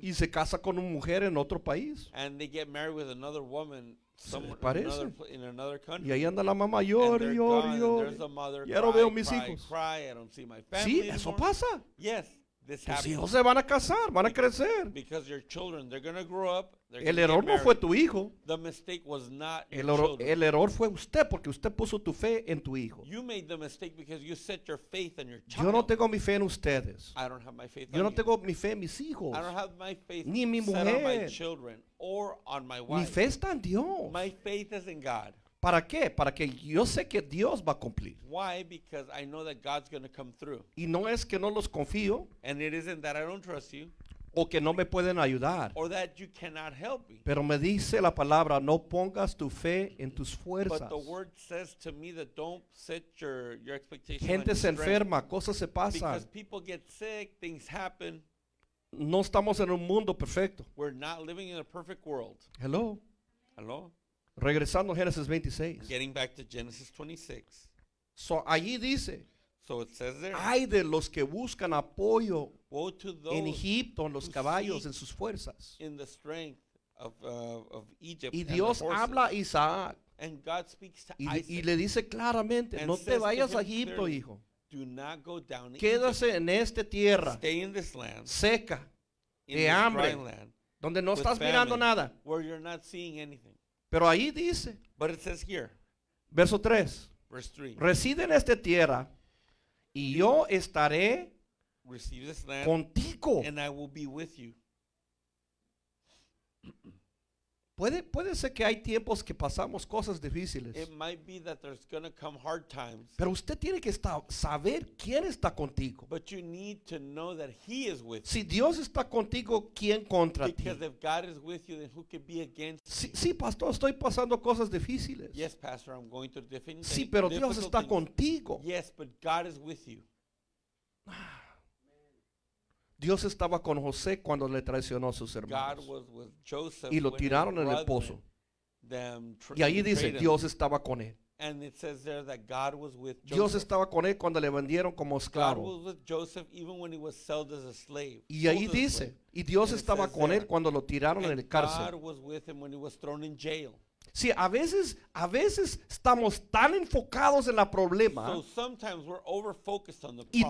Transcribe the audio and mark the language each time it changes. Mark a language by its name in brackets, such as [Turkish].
[Spanish] Y se casa con una mujer en otro país. [English] And they get married with another woman. Somewhere, in another country. [Spanish] Y ahí anda la mamá, llore. Ya no veo mis hijos. [English] Cry, I don't see my family [Spanish] sí, [English] anymore. [Spanish] Eso pasa. [English] Yes. [Spanish] Tus hijos se van a casar, van a crecer. [English] Because your children, they're going to grow up. [Spanish] El error no fue tu hijo. [English] The mistake was not your children. [Spanish] El error fue usted porque usted puso tu fe en tu hijo. [English] You made the mistake because you set your faith in your child. [Spanish] Yo no tengo mi fe en ustedes. [English] I don't have my faith [Spanish] yo no tengo mi fe en mis hijos. [English] I don't have my faith [Spanish] ni mi mujer. [English] Set on my children or on my wife. [Spanish] Mi fe está en Dios. [English] My faith is in God. [Spanish] ¿Para qué? Para que yo sé que Dios va a cumplir. [English] Why? Because I know that God's going to come through. [Spanish] Y no es que no los confío. [English] And it isn't that I don't trust you. [Spanish] O que no me pueden ayudar. [English] Or that you cannot help me. [Spanish] Pero me dice la palabra, no pongas tu fe en tus fuerzas. [English] But the word says to me that don't set your expectation. [Spanish] Gente [English] on [Spanish] se enferma, cosas se pasan. [English] Because people get sick, things happen. [Spanish] No estamos en un mundo perfecto. [English] We're not living in a perfect world. Hello. Hello. [Spanish] Regresando a Génesis 26. [English] Getting back to Genesis 26. [Spanish] So allí dice. [English] So it says there. [Spanish] Ay de los que buscan apoyo. [English] Woe to those. [Spanish] En Egipto, en los caballos, en sus fuerzas. [English] In the strength of Egypt. [Spanish] Y Dios habla a Isaac. [English] And God speaks to Isaac. [Spanish] Y le dice claramente. No te vayas a Egipto, hijo. [English] Do not go down. [Spanish] Quédase [English] Egypt. [Spanish] En esta tierra. [English] Stay in this land. [Spanish] Seca. [English] In [Spanish] de [English] this [Spanish] hambre. [English] Dry land, [Spanish] donde no estás [English] famine, [Spanish] mirando nada. [English] Where you're not seeing anything. [Spanish] Pero ahí dice, [English] but it says here, [Spanish] verso 3, [English] verse 3, [Spanish] reside en esta tierra y yo estaré [English] receive this land, [Spanish] contigo. [English] And I will be with you. [Spanish] Puede ser que hay tiempos que pasamos cosas difíciles. [English] It might be that there's gonna come hard times, [Spanish] pero usted tiene que saber quién está contigo. [English] But you need to know that he is with [Spanish] si Dios está contigo, ¿quién contra [English] because [Spanish] ti? [English] If God is with you, then who could be against [Spanish] sí, [English] you? [Spanish] Sí, pastor, estoy pasando cosas difíciles. [English] Yes, pastor, I'm going through difficult [Spanish] things. Sí, pero Dios está contigo. [English] Yes, but God is with you. [Spanish] Dios estaba con José cuando le traicionó a sus hermanos. [English] Joseph, [Spanish] y lo tiraron en el pozo. Y ahí dice, Dios estaba con él. [English] And it says there that God was with Joseph. [Spanish] Dios estaba con él cuando le vendieron como esclavo. [English] God was with Joseph even when he was sold as a slave. [Spanish] Y ahí dice, y Dios estaba con él cuando lo tiraron en el cárcel. [English] God was with him when he was thrown in jail. [Spanish] Sí, a veces estamos tan enfocados en el problema. [English] So sometimes we're over-focused on the problem.